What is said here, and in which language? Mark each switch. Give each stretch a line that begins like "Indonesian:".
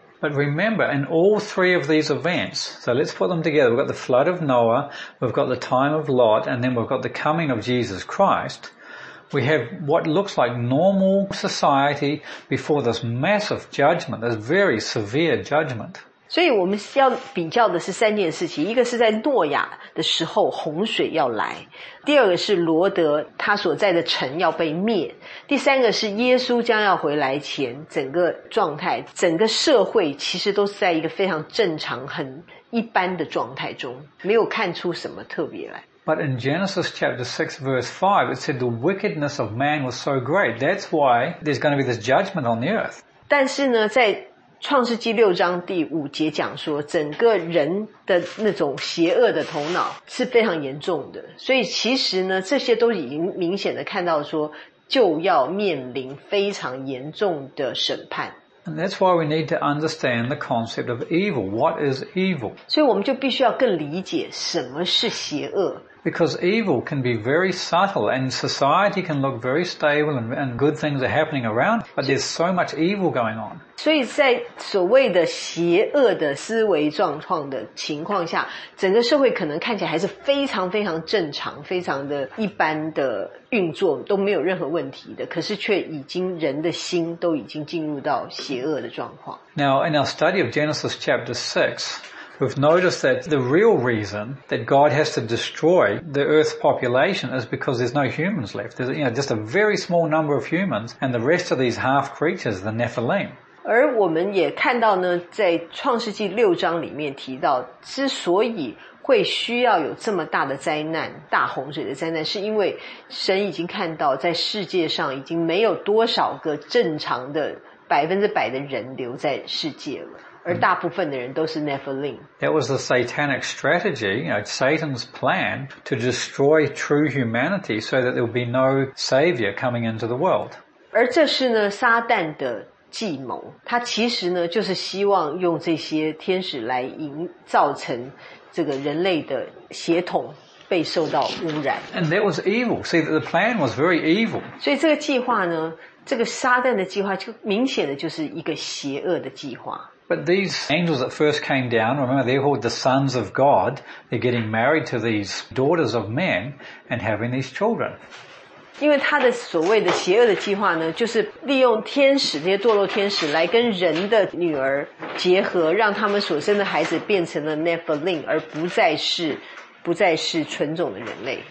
English: But remember, in all three of these events, so let's put them together. We've got the flood of Noah, we've got the time of Lot, and then we've got the coming of Jesus Christ. We have what looks like normal society before this massive judgment, this very severe judgment.
Chinese: 所以我们要比较的是三件事情，一个是在诺亚的时候洪水要来，第二个是罗德他所在的城要被灭，第三个是耶稣将要回来前整个状态，整个社会其实都是在一个非常正常很一般的状态中，没有看出什么特别来。
English: But in Genesis chapter 6 verse 5 it said the wickedness of man was so great, that's why there's going to be this judgment on the earth.
Chinese: 但是呢，在创世纪六章第五节讲说，整个人的那种邪恶的头脑是非常严重的，所以其实呢，这些都已经明显的看到说，就要面临非常严重的审判。
English: And that's why we need to understand the concept of evil. What is evil?
Chinese: 所以我们就必须要更理解什么是邪恶。
English: Because evil can be very subtle and society can look very stable and good things are happening around, but there's so much evil going on.
Chinese: 所以在所谓的邪恶的思维状况的情况下，整个社会可能看起来还是非常非常正常，非常的一般的运作，都没有任何问题的，可是却已经人的心都已经进入到邪恶的状况。
English: Now, in our study of Genesis chapter 6,We've noticed that the real reason that God has to destroy the earth's population is because there's no humans left. There's, you know, just a very small number of humans and the rest of these half creatures, the Nephilim.
Chinese: 而我们也看到呢，在创世纪六章里面提到，之所以会需要有这么大的灾难，大洪水的灾难，是因为神已经看到在世界上已经没有多少个正常的100%的人留在世界了，而大部分的人都是 Nephilim.
English: That was the satanic strategy, you know, Satan's plan to destroy true humanity so that there would be no savior coming into the world.
Chinese: 而这是呢，撒旦的计谋，他其实呢，就是希望用这些天使来营造成这个人类的血统被受到污染。
English: And that was evil. See, the plan was very evil.
Chinese: 所以这个计划呢，这个撒旦的计划就明显的就是一个邪恶的计划。
English: But these angels that first came down, remember, they're called the sons of God. They're getting married to these daughters of men and having these children.
Chinese: 因为他的所谓的邪恶的计划呢，就是利用天使，这些堕落天使来跟人的女儿结合，让他们所生的孩子变成了 Nephilim, 而不再是纯种的人类。